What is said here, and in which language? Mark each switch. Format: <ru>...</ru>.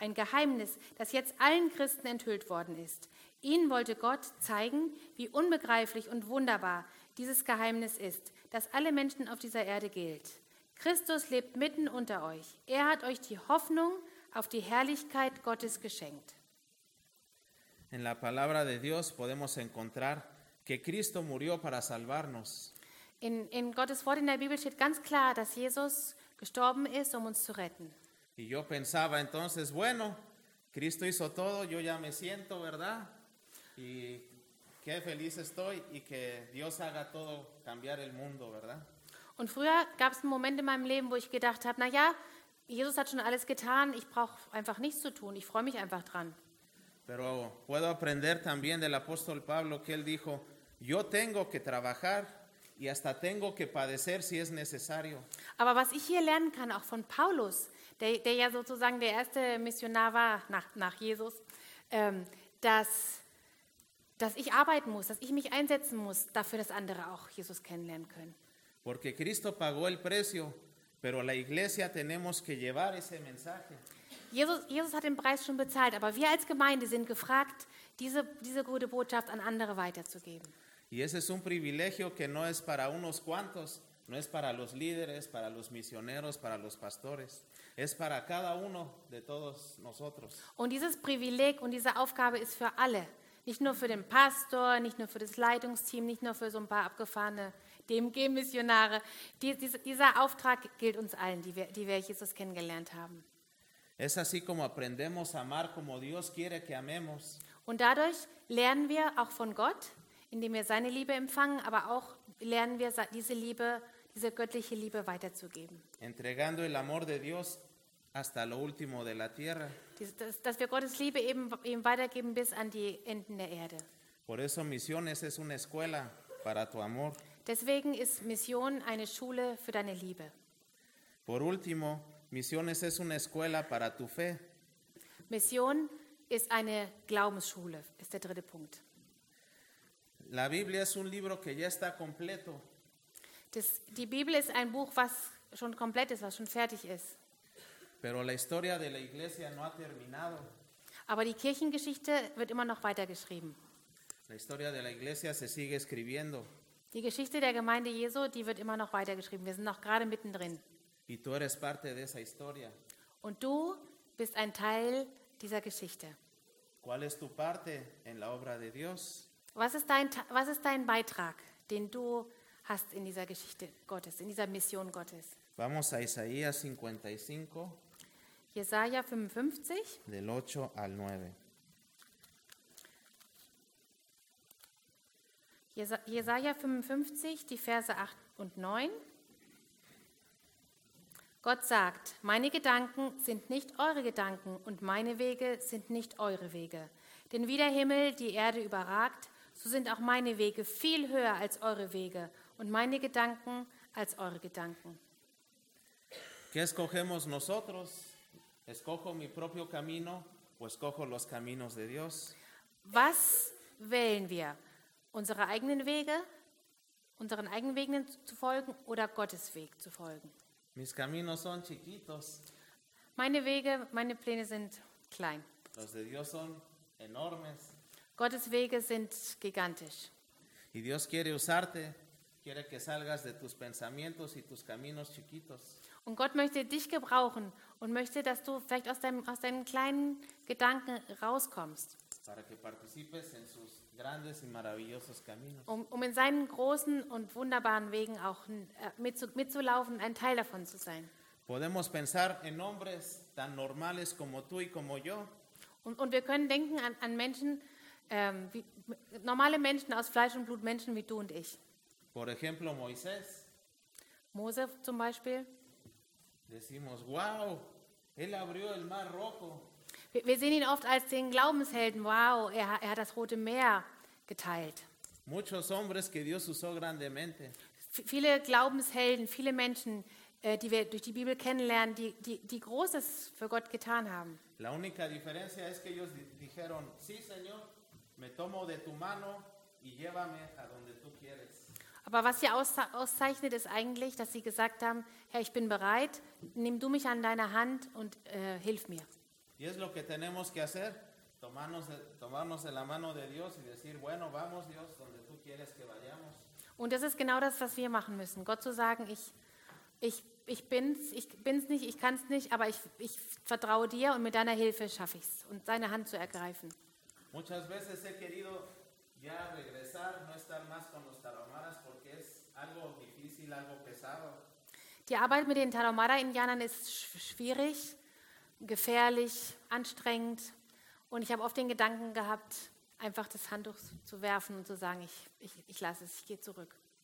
<de>Ein Geheimnis, das jetzt allen Christen enthüllt worden ist. Ihnen wollte Gott zeigen, wie unbegreiflich und wunderbar dieses Geheimnis ist, das alle Menschen auf dieser Erde gilt. Christus lebt mitten unter euch. Er hat euch die Hoffnung auf die Herrlichkeit Gottes geschenkt.</de> <es>En la palabra de Dios podemos encontrar que Cristo murió para salvarnos.</es> <de>In Gottes Wort in der Bibel steht ganz klar, dass Jesus gestorben ist, um uns zu retten.</de> <es>Y yo pensaba entonces, bueno, Cristo hizo todo, yo ya me siento, ¿verdad? Y qué feliz estoy y que Dios haga todo cambiar el mundo, ¿verdad?</es> <de>Und früher gab es einen Moment in meinem Leben, wo ich gedacht habe, na ja, Jesus hat schon alles getan, ich brauche einfach nichts zu tun, ich freue mich einfach dran.</de> <es>Pero puedo aprender también del apóstol Pablo que él dijo, yo tengo que trabajar y hasta tengo que padecer si es necesario.</es> <de>Aber was ich hier lernen kann, auch von Paulus, der ja sozusagen der erste Missionar war nach Jesus, dass ich arbeiten muss, dass ich mich einsetzen muss dafür, dass andere auch Jesus kennenlernen können.</de> <es>Porque Cristo pagó el precio, pero la iglesia tenemos que llevar ese mensaje.</es> <de>Jesus hat den Preis schon bezahlt, aber wir als Gemeinde sind gefragt, diese gute Botschaft an andere weiterzugeben.</de> <es>Y ese es un privilegio que no es para unos cuantos, no es para los líderes, para los misioneros, para los pastores. Es para cada uno de todos nosotros.</es> <de>Und dieses Privileg und diese Aufgabe ist für alle. Nicht nur für den Pastor, nicht nur für das Leitungsteam, nicht nur für so ein paar abgefahrene DMG-Missionare. Dieser Auftrag gilt uns allen, die wir Jesus kennengelernt haben.</de> <es>Es así como aprendemos a amar como Dios quiere que amemos.</es> <de>Und dadurch lernen wir auch von Gott, indem wir seine Liebe empfangen, aber auch lernen wir diese Liebe, diese göttliche Liebe weiterzugeben.</de> <es>Entregando el amor de Dios hasta lo último de la tierra.</es> <de>Dass wir Gottes Liebe eben weitergeben bis an die Enden der Erde.</de> <es>Por eso misiones es una escuela para tu amor.</es> <de>Deswegen ist Mission eine Schule für deine Liebe.</de> <es>Por último, misiones es una escuela para tu fe.</es> <de>Mission ist eine Glaubensschule, ist der dritte Punkt.</de> <es>La Biblia es un libro que ya está completo.</es> <de>Die Bibel ist ein Buch, was schon komplett ist, was schon fertig ist.</de> <es>Pero la historia de la iglesia no ha terminado.</es> <de>Aber die Kirchengeschichte wird immer noch weitergeschrieben.</de> <es>La historia de la iglesia se sigue escribiendo.</es> <de>Die Geschichte der Gemeinde Jesu, die wird immer noch weitergeschrieben. Wir sind noch gerade mittendrin.</de> <es>Y tú eres parte de esa historia.</es> <de>Und du bist ein Teil dieser Geschichte.</de> <es>¿Cuál es tu parte en la obra de Dios?</es> <de>Was ist dein Beitrag, den du hast in dieser Geschichte Gottes, in dieser Mission Gottes?</de> <es>Vamos a Isaías 55.</es> <de>Jesaja 55.</de> <es>Del 8 al 9.</es> <de>Jesaja 55, die Verse 8 und 9. Gott sagt: Meine Gedanken sind nicht eure Gedanken und meine Wege sind nicht eure Wege. Denn wie der Himmel die Erde überragt, so sind auch meine Wege viel höher als eure Wege und meine Gedanken als eure Gedanken.</de> <es>¿Qué escogemos nosotros? Escojo mi propio camino pues cojo los caminos de Dios.</es> <de>Was wählen wir? Unsere eigenen Wege, unseren eigenen Wegen zu folgen oder Gottes Weg zu folgen?</de> <es>Mis caminos son chiquitos.</es> <de>Meine Wege, meine Pläne sind klein.</de> <es>Los de Dios son enormes.</es> <de>Gottes Wege sind gigantisch.</de> <es>Y Dios quiere usarte, quiere que salgas de tus pensamientos y tus caminos chiquitos.</es> <de>Und Gott möchte dich gebrauchen und möchte, dass du vielleicht aus deinen kleinen Gedanken rauskommst.</de> <es>Para que participes en sus grandes y maravillosos caminos.</es> <de>Um in seinen großen und wunderbaren Wegen auch mitzulaufen, ein Teil davon zu sein.</de> <es>Podemos pensar en hombres tan normales como tú y como yo.</es> <de>Und wir können denken an Menschen, wie, normale Menschen aus Fleisch und Blut, Menschen wie du und ich.</de> <es>Por ejemplo, Moisés.</es> <de>Mose zum Beispiel.</de> <es>Decimos, wow, él abrió el Mar Rojo.</es> <de>Wir sehen ihn oft als den Glaubenshelden. Wow, er hat das Rote Meer geteilt.</de> <es>Muchos hombres que Dios usó grandemente.</es> <de>Viele Glaubenshelden, viele Menschen, die wir durch die Bibel kennenlernen, die Großes für Gott getan haben.</de> <es>La única diferencia es que ellos dijeron, sí, Señor, me tomo de tu mano y llévame a donde tú quieres.</es> <de>Aber was sie auszeichnet, ist eigentlich, dass sie gesagt haben, Herr, ich bin bereit, nimm du mich an deiner Hand und hilf mir.</de> <es>Y es lo que tenemos que hacer, tomarnos de la mano de Dios y decir, bueno, vamos Dios, donde tú quieres que vayamos.</es> <de>Und das ist genau das, was wir machen müssen. Gott zu sagen, ich bin's nicht, ich kann's nicht, aber ich vertraue dir und mit deiner Hilfe schaffe ich's. Und seine Hand zu ergreifen.</de> <es>Muchas veces he querido ya regresar, no estar más con los Tarahumaras, porque es algo difícil, algo pesado.</es> <de>Die Arbeit mit den Tarahumara-Indianern ist schwierig, gefährlich, anstrengend. Und ich habe oft den Gedanken gehabt, einfach das Handtuch zu werfen und zu sagen, ich lasse es, ich gehe zurück.</de>